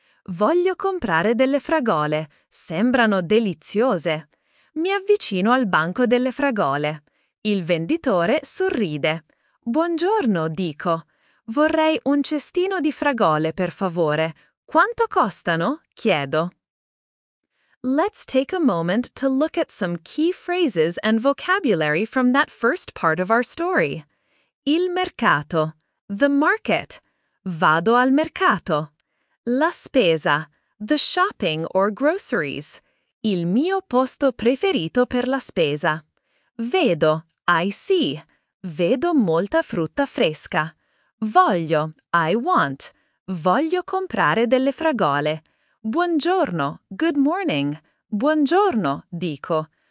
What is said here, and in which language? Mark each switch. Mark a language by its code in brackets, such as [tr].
[it] Voglio comprare delle fragole, sembrano deliziose. Mi avvicino al banco delle fragole. Il venditore sorride. «Buongiorno», dico. «Vorrei un cestino di fragole, per favore. Quanto costano?» chiedo. [en] Let's take a moment to look at some key phrases and vocabulary from that first part of our story. [it] Il mercato. [en] The market. [it] Vado al mercato. La spesa. [en] The shopping or groceries. [it] Il mio posto preferito per la spesa. Vedo, [en] I see. [it] Vedo molta frutta fresca. Voglio, [en] I want. [it] Voglio comprare delle fragole. Buongiorno, [en] good morning. [it] Buongiorno, dico.